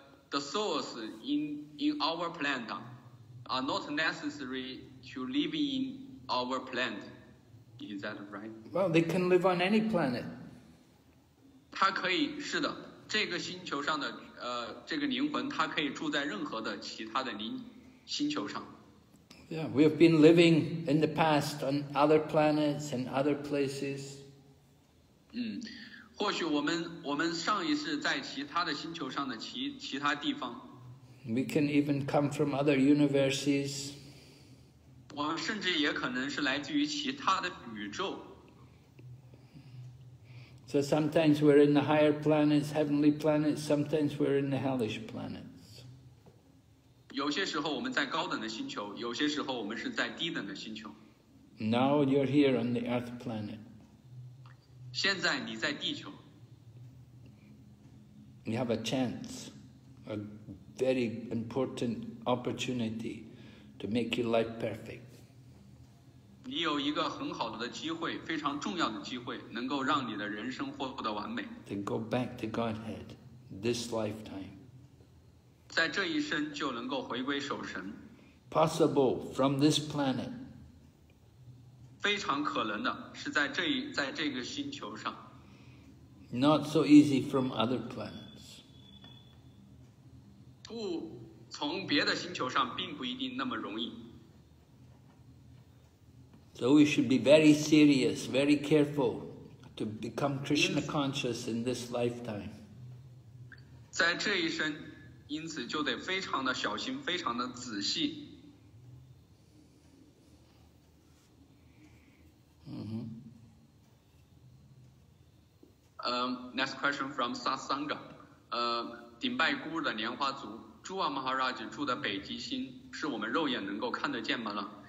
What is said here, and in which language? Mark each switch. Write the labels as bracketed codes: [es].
[en] The souls in our planet are not necessary to live in our planet. Is that right? Well, they can live on any planet. [zh] 它可以，是的，这个星球上的这个灵魂，它可以住在任何的其他的星球上。 [en] Yeah, we have been living in the past on other planets and other places. [zh] 或许我们上一世在其他的星球上的其他地方。 [en] We can even come from other universes. [zh] 我们甚至也可能是来自于其他的宇宙。 [en] So sometimes we're in the higher planets, heavenly planets, sometimes we're in the hellish planets. [zh] 有些时候我们在高等的星球，有些时候我们是在低等的星球。 [en] Now you're here on the earth planet. [zh] 现在你在地球。 [en] You have a chance, a very important opportunity to make your life perfect. [zh] 你有一个很好的机会，非常重要的机会，能够让你的人生获得完美。 [en] To go back to Godhead this lifetime. [zh] 在这一生就能够回归守神。 [en] Possible from this planet. [zh] 非常可能的是在这个星球上。 [en] Not so easy from other planets. [zh] 不，从别的星球上并不一定那么容易。 [en] So we should be very serious, very careful to become Krishna conscious in this lifetime. [zh] 在这一生，因此就得非常的小心，非常的仔细。 [en] Next question from Sasanga. [zh] Dimbai Guru 的莲花族 Jua Maharaj 住的北极星是我们肉眼能够看得见吗呢？